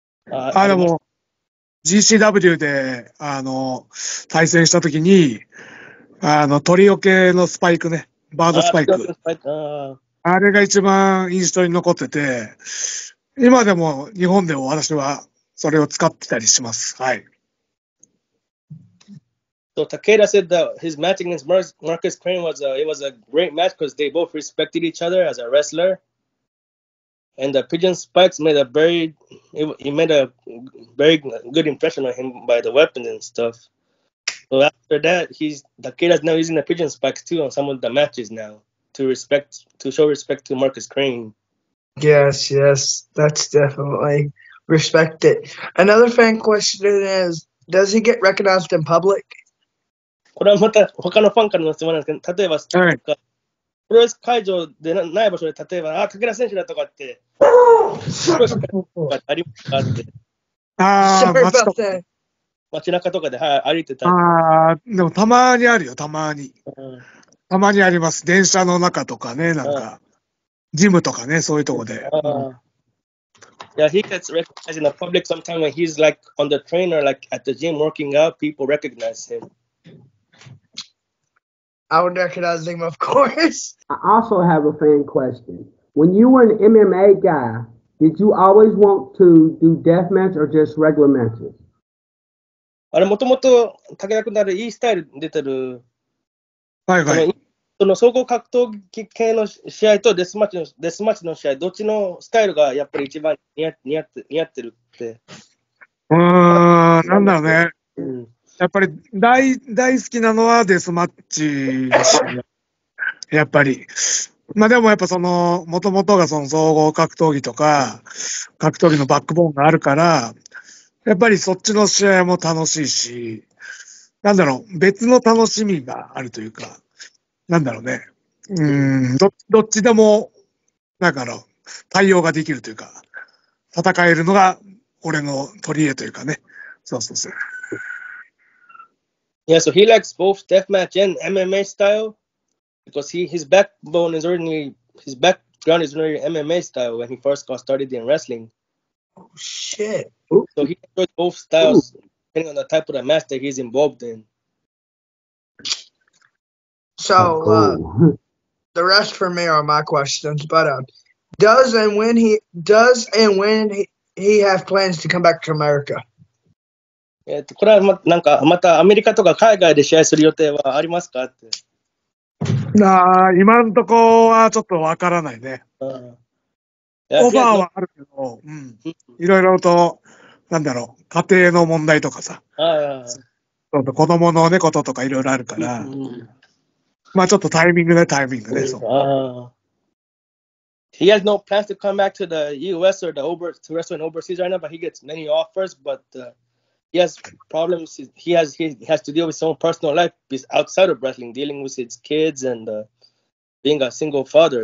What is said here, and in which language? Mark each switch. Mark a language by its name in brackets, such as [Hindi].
[Japanese] あ、でも、GCW で、あの、対戦したときに、あの、鳥よけのスパイクね、バードスパイク。あれが一番印象に残ってて、今でも日本でも私はそれを使ってたりします。はい。 [English] So Takeda said that his match against Marcus Crane was it was a great match because they both respected each other as a wrestler, and the pigeon spikes made a very it made a very good impression on him by the weapon and stuff. So after that, he's Takeda's now using the pigeon spikes too on some of the matches now to show respect to Marcus Crane. Yes, yes, that's definitely respect it. Another fan question is, does he get recognized in public? [Japanese] これはまた他のファンからの質問なんですけど、例えば、はい、プロレス会場でない場所で、例えば、あ、武田選手だとかって、プロレス会場とかってありますかって。ああ、街中とかで、はい、歩いてた。ああ、でもたまにあるよ、たまに、うん。たまにあります。電車の中とかね、なんか、ジムとかね、そういうとこで。 [English] Yeah, he gets recognized in the public sometime when he's like on the train or like at the gym working out, people recognize him. I would recognize him, of course. I also have a fan question. When you were an MMA guy, did you always want to do deathmatch or just regular matches? [Japanese] あれもともと武田君のあるスタイル出てる。はいはい。その総合格闘技系の試合とデスマッチの試合、どっちのスタイルがやっぱり一番似合ってるって。なんだろうね。うん。やっぱり大好きなのはデスマッチでしょ。やっぱり。まあでもやっぱその、もともとがその総合格闘技とか、格闘技のバックボーンがあるから、やっぱりそっちの試合も楽しいし、なんだろう、別の楽しみがあるというか、なんだろうね。どっちでも、なんだろう、対応ができるというか、戦えるのが俺の取り柄というかね。そうそうそう。 [English] Yeah, so he likes both deathmatch and MMA style because his background is already MMA style when he first got started in wrestling. Oh, shit. So he enjoys both styles depending on the type of the match that he's involved in. So, the rest for me are my questions, but does and when he have plans to come back to America? [Japanese] これはなんかまたアメリカとか海外で試合する予定はありますかって。なあ、今んとこはちょっとわからないね。うん、オファーはあるけど、いろいろと、なんだろう、家庭の問題とかさ、あ子供のね、こととかいろいろあるから、うん、まあちょっとタイミングね、タイミングね、そう。 [English] He has no plans to come back to the US or the over, to wrestle in overseas right now, but he gets many offers, but. He has problems. He has to deal with his own personal life outside of wrestling, dealing with his kids and being a single father.